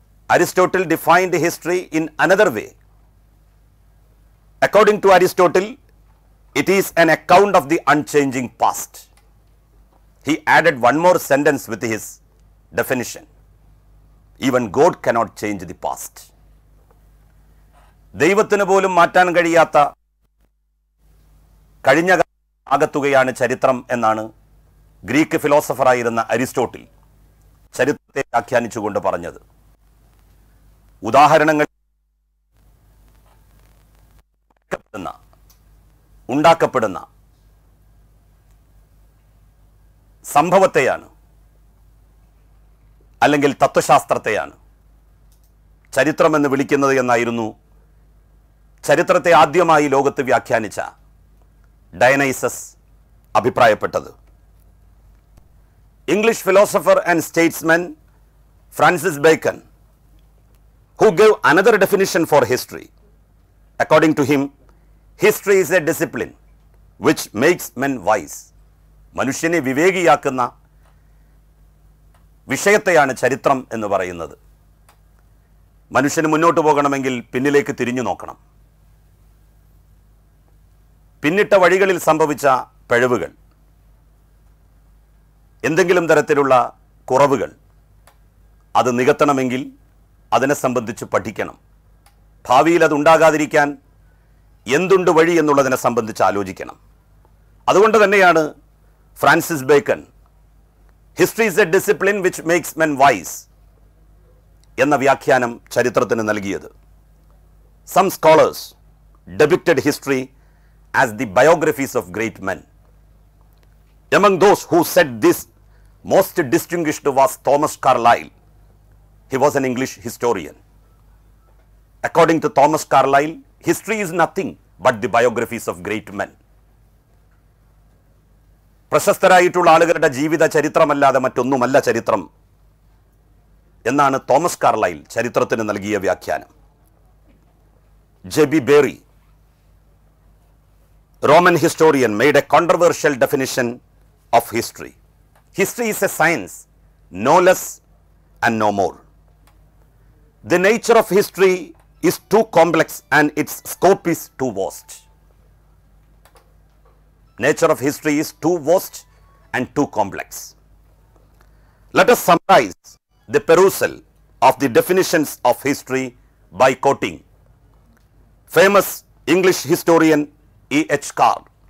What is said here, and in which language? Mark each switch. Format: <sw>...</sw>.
<en>Aristotle defined history in another way. According to Aristotle, it is an account of the unchanging past. He added one more sentence with his definition. Even God cannot change the past.</en> <ml>ദൈവത്തിനു പോലും മാറ്റാൻ കഴിയാത്ത കഴിഞ്ഞ ആകത്തുകയാണ് ചരിത്രം എന്നാണ് Greek philosopher ആയിരുന്ന Aristotle ചരിത്രത്തെ ആഖ്യാനിച്ചുകൊണ്ട് പറഞ്ഞത്. ഉദാഹരണങ്ങൾ ഉണ്ടാക്കപ്പെടുന്ന സംഭവത്തെയാണ്, അല്ലെങ്കിൽ തത്വശാസ്ത്രത്തെയാണ് ചരിത്രമെന്ന് വിളിക്കുന്നത് എന്നായിരുന്നു ചരിത്രത്തെ ആദ്യമായി ലോകത്ത് വ്യാഖ്യാനിച്ച ഡയനൈസസ് അഭിപ്രായപ്പെട്ടത്.</ml> <en>English philosopher and statesman Francis Bacon, who gave another definition for history. According to him, history is a discipline which makes men wise.</en> <ml>മനുഷ്യനെ വിവേകിയാക്കുന്ന വിഷയത്തെയാണ് ചരിത്രം എന്ന് പറയുന്നത്. മനുഷ്യന് മുന്നോട്ട് പോകണമെങ്കിൽ പിന്നിലേക്ക് തിരിഞ്ഞു നോക്കണം. പിന്നിട്ട വഴികളിൽ സംഭവിച്ച പിഴവുകൾ, എന്തെങ്കിലും തരത്തിലുള്ള കുറവുകൾ, അത് നികത്തണമെങ്കിൽ അതിനെ സംബന്ധിച്ച് പഠിക്കണം. ഭാവിയിൽ അതുണ്ടാകാതിരിക്കാൻ എന്തുണ്ട് വഴി എന്നുള്ളതിനെ സംബന്ധിച്ച് ആലോചിക്കണം. അതുകൊണ്ട് തന്നെയാണ് Francis bacon,</ml> <en>history is a discipline which makes men wise</en> <ml>എന്ന വ്യാഖ്യാനം ചരിത്രത്തിന് നൽകിയത്.</ml> <en>Some scholars debated history as the biographies of great men. Among those who said this most distinguished was Thomas Carlyle. He was an English historian. According to Thomas Carlyle, history is nothing but the biographies of great men.</en> <ml>പ്രശസ്തരായിട്ടുള്ള ആളുകളുടെ ജീവിത ചരിത്രമല്ലാതെ മറ്റൊന്നുമല്ല ചരിത്രം എന്നാണ് Thomas Carlyle ചരിത്രത്തിന് നൽകിയ വ്യാഖ്യാനം.</ml> <en>J B Bury, Roman historian, made a controversial definition of history. History is a science, no less and no more. The nature of history is too complex and its scope is too vast. Nature of history is too vast and too complex. Let us summarize the perusal of the definitions of history by quoting famous English historian E.H. Carr.</en>